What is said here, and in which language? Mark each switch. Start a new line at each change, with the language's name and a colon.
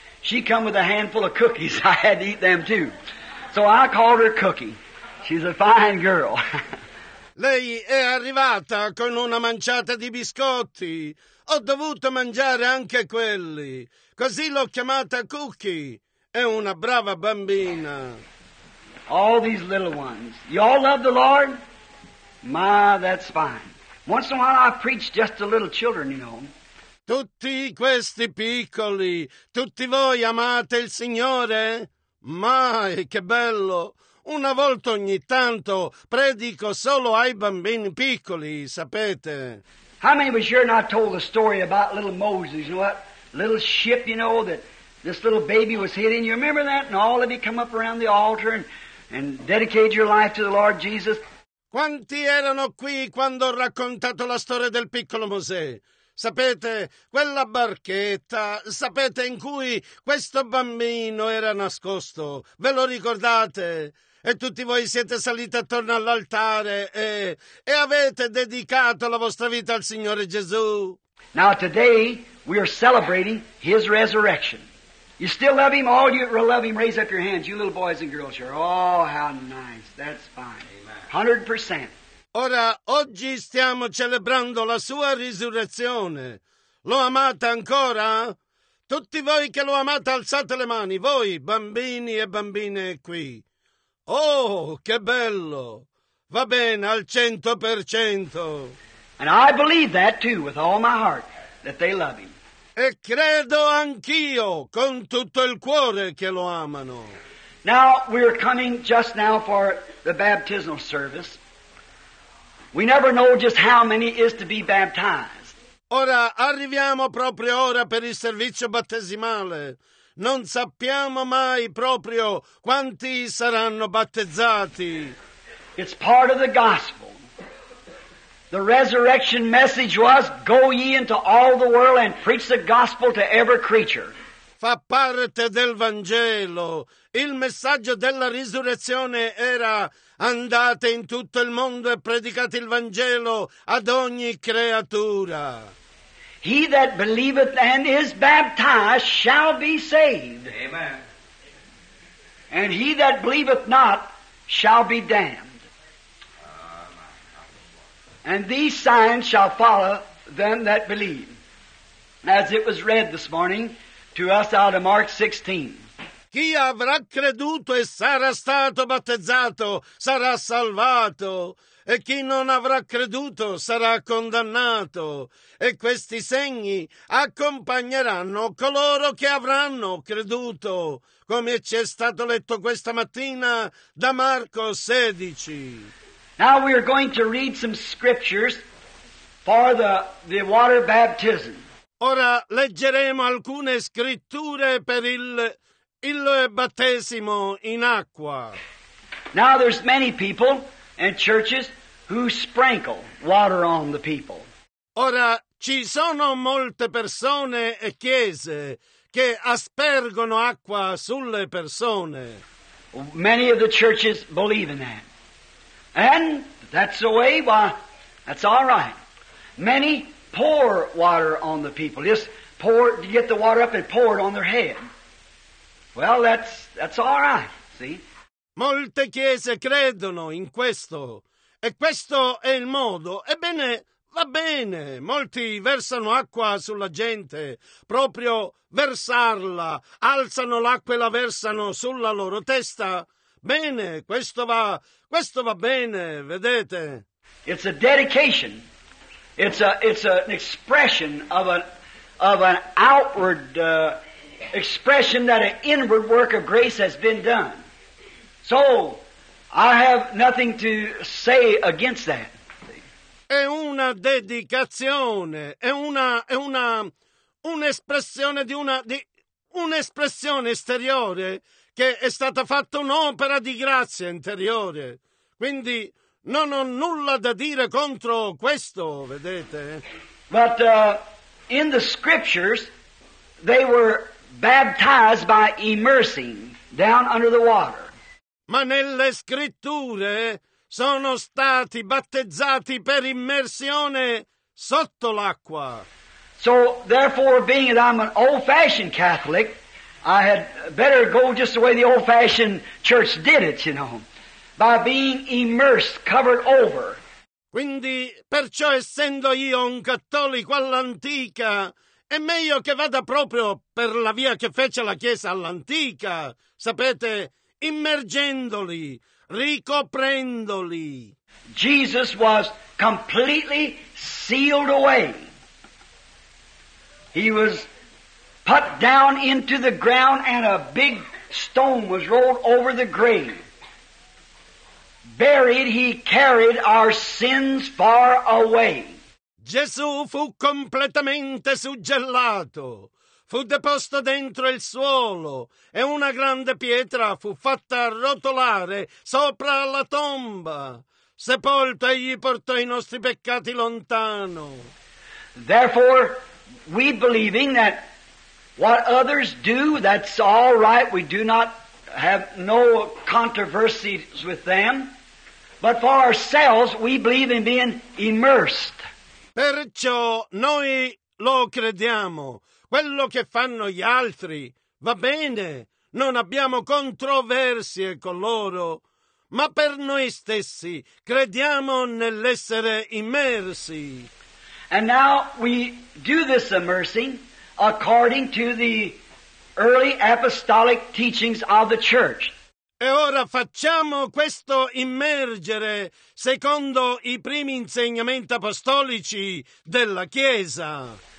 English: She come with a handful of cookies, I had to eat them too. So I called her Cookie. She's a fine girl.
Italian: Lei è arrivata con una manciata di biscotti. Ho dovuto mangiare anche quelli. Così l'ho chiamata Cookie. È una brava bambina.
English: All these little ones. You all love the Lord? My, that's fine. Once in a while I preach just to little children, you know.
Italian: Tutti questi piccoli, tutti voi amate il Signore? Mai, che bello! Una volta ogni tanto predico solo ai bambini piccoli, sapete?
English: How many of you sure not told the story about little Moses, you know, that little ship, you know, that this little baby was hidden? You remember that? And all of you come up around the altar and dedicate your life to the Lord Jesus?
Italian: Quanti erano qui quando ho raccontato la storia del piccolo Mosè? Sapete, quella barchetta, sapete, in cui questo bambino era nascosto. Ve lo ricordate? E tutti voi siete saliti attorno all'altare e avete dedicato la vostra vita al Signore Gesù.
English: Now today we are celebrating His resurrection. You still love Him? All you love Him, raise up your hands, you little boys and girls here. Oh, how nice. That's fine. 100%.
Italian: Ora, oggi stiamo celebrando la sua risurrezione. Lo amate ancora? Tutti voi che lo amate, alzate le mani, voi, bambini e bambine qui. Oh, che bello! Va bene, al 100%.
English: And I believe that too, with all my heart, that they love him.
Italian: E credo anch'io, con tutto il cuore, che lo amano.
English: Now, we are coming just now for the baptismal service. We never know just how many is to be baptized.
Italian: Ora arriviamo proprio ora per il servizio battesimale. Non sappiamo mai proprio quanti saranno battezzati.
English: It's part of the gospel. The resurrection message was, go ye into all the world and preach the gospel to every creature.
Italian: Fa parte del Vangelo. Il messaggio della risurrezione era: andate in tutto il mondo e predicate il Vangelo ad ogni creatura.
English: He that believeth and is baptized shall be saved. Amen. And he that believeth not shall be damned. And these signs shall follow them that believe. As it was read this morning to us out of Mark 16.
Italian: Chi avrà creduto e sarà stato battezzato sarà salvato, e chi non avrà creduto sarà condannato, e questi segni accompagneranno coloro che avranno creduto, come ci è stato letto questa mattina da Marco 16.
English: Now we are going to read some scriptures for the water baptism.
Italian: Ora leggeremo alcune scritture per il battesimo in acqua.
English: Now there's many people and churches who sprinkle water on the people.
Italian: Ora ci sono molte persone e chiese che aspergono acqua sulle persone.
English: Many of the churches believe in that. And that's the way, why, that's all right. Many pour water on the people. Just pour, get the water up and pour it on their head. Well, that's all right, see?
Italian: Molte chiese credono in questo. E questo è il modo. Ebbene, va bene. Molti versano acqua sulla gente. Proprio versarla. Alzano l'acqua e la versano sulla loro testa. Bene, questo va bene, vedete?
English: It's a dedication. It's an expression of an outward expression that an inward work of grace has been done. So I have nothing to say against that.
Italian: È una dedicazione, è un'espressione esteriore che è stata fatta un'opera di grazia interiore. Quindi non ho nulla da dire contro questo, vedete?
English: But in the scriptures they were baptized by immersing down under the water.
Italian: Ma nelle scritture sono stati battezzati per immersione sotto l'acqua.
English: So therefore, being that I'm an old-fashioned Catholic, I had better go just the way the old-fashioned church did it, you know. By being immersed, covered over.
Italian: Quindi, perciò essendo io un cattolico all'antica, è meglio che vada proprio per la via che fece la Chiesa all'antica, sapete, immergendoli, ricoprendoli.
English: Jesus was completely sealed away. He was put down into the ground and a big stone was rolled over the grave. Buried, he carried our sins far away.
Italian: Gesù fu completamente suggellato. Fu deposto dentro il suolo e una grande pietra fu fatta rotolare sopra la tomba. Sepolto, egli portò i nostri peccati lontano.
English: Therefore, we believing that what others do, that's all right. We do not have no controversies with them. But for ourselves, we believe in being immersed.
Italian: Perciò noi lo crediamo. Quello che fanno gli altri va bene. Non abbiamo controversie con loro. Ma per noi stessi crediamo nell'essere immersi.
English: And now we do this immersing according to the early apostolic teachings of the church.
Italian: E ora facciamo questo immergere secondo i primi insegnamenti apostolici della Chiesa.